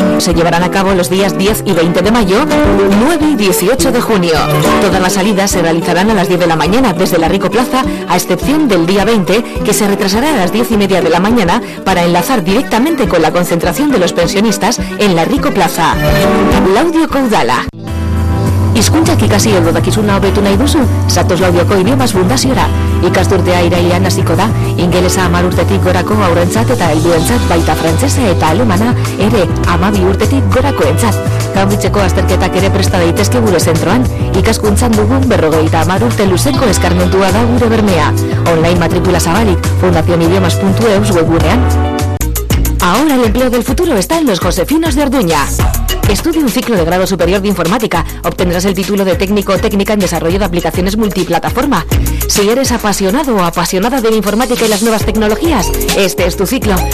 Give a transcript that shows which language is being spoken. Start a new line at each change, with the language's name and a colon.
Spanish: Se llevarán a cabo los días 10 y 20 de mayo, 9 y 18 de junio. Todas las salidas se realizarán a las 10 de la mañana desde la Rico Plaza, a excepción del día 20, que se retrasará a las 10 y media de la mañana para enlazar directamente con la concentración de los pensionistas en la Rico Plaza.
Basque: Laudio Caudala. Hizkuntza ikasi edo dakizuna hobetu nahi duzu, Satos Laudioko Idiomas Fundaziora. Ikasturtea irailean hasiko da, ingelesa 10 urtetik gorako haurentzat eta helduentzat, baita frantsesa eta alemana ere 12 urtetik gorakoentzat. Kanbitzeko azterketak ere presta daitezke gure zentroan, ikaskuntzan dugun 50 urte luzeko eskarmentua da gure bermea. Online matrikula zabalik, fundacionidiomas.eus webgunean.
Spanish: Ahora el empleo del futuro está en los Josefinos de Orduña. Estudia un ciclo de grado superior de informática. Obtendrás el título de técnico o técnica en desarrollo de aplicaciones multiplataforma. Si eres apasionado o apasionada de la informática y las nuevas tecnologías, este es tu ciclo.